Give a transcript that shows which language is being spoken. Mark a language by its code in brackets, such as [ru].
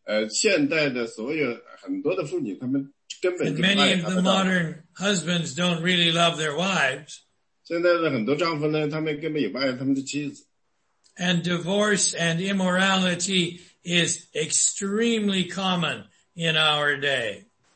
[zh] 现代的所有很多的妇女，他们根本就不爱他们的老公。 [en] And many of the modern husbands don't really love their wives. [zh] 现在的很多丈夫呢，他们根本也不爱他们的妻子。 [en] And divorce and immorality is extremely common in our day.